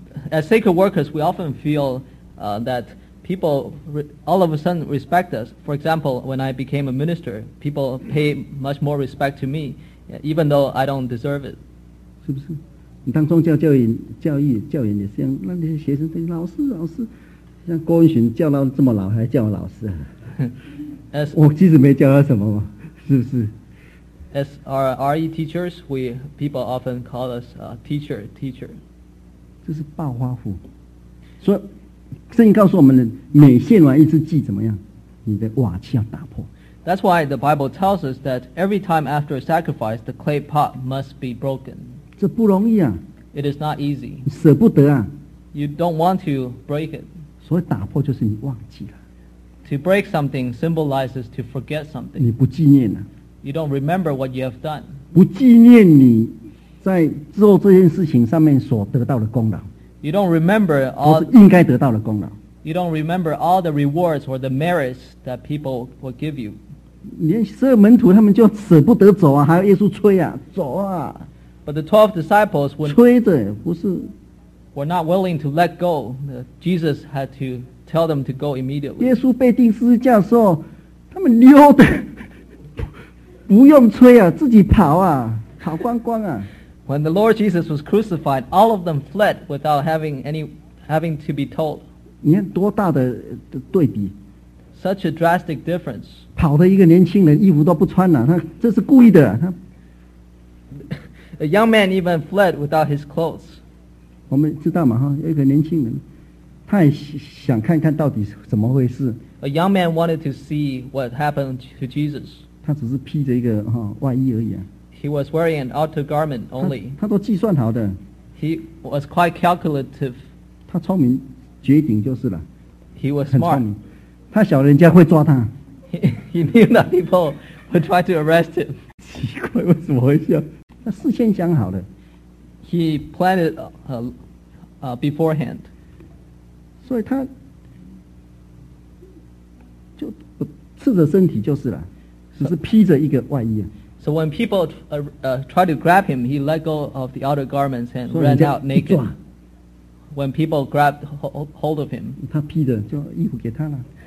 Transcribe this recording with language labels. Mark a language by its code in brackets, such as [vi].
[en] As sacred workers, we often feel that people all of a sudden respect us. For example, when I became a minister, people pay much more respect to me, even though I don't deserve it. [zh] 是不是？你当宗教教员也是这样，那些学生对老师老师。像郭文询叫到这么老还叫我老师啊，我其实没叫他什么嘛，是不是？ [en] As our RE teachers, people often call us teacher. [zh] 这是暴发户，所以圣经告诉我们，每献完一只祭怎么样，你的瓦器要打破。 [en] That's why the Bible tells us that every time after a sacrifice, the clay pot must be broken. [zh] 这不容易啊， [en] It is not easy. [zh] 舍不得啊， [en] You don't want to break it. [zh] 所以打破就是你忘记了。 [en] To break something symbolizes to forget something. [zh] 你不纪念了。 [en] You don't remember what you have done. [zh] 不纪念你在做这件事情上面所得到的功劳。 [en] You don't remember all [zh] 是应该得到的功劳。 [en] You don't remember all the rewards or the merits that people will give you. [zh] 连十二门徒他们就舍不得走啊，还有耶稣催啊，走啊。 [en] But the 12 disciples would [zh] 催着，不是。 [en] Were not willing to let go. Jesus had to tell them to go immediately. [zh] 耶稣被钉十字架的时候，他们溜的，不用催啊，自己跑啊，跑光光啊。 [en] When the Lord Jesus was crucified, all of them fled without having to be told. [zh] 你看多大的对比。 [en] Such a drastic difference. [zh] 跑的一个年轻人衣服都不穿了，他这是故意的。 [en] A young man even fled without his clothes. [zh] 我们知道嘛，哈，一个年轻人，他也想看看到底怎么回事。 [en] A young man wanted to see what happened to Jesus. [zh] 他只是披着一个哈外衣而已啊。 [en] He was wearing an outer garment only. [zh] 他都计算好的。 [en] He was quite calculative. [zh] 他聪明绝顶就是了。 [en] He was smart. [zh] 很聪明，他晓得人家会抓他。 [en] He knew that people would try to arrest him. [zh] 奇怪，为什么会笑？他事先想好的。 [en] He planned beforehand. [zh] 所以他就赤着身体就是了，只是披着一个外衣。 [en] So when people tried to grab him, he let go of the outer garments and ran out naked. When people grabbed hold of him, [zh] 他披着就衣服给他了。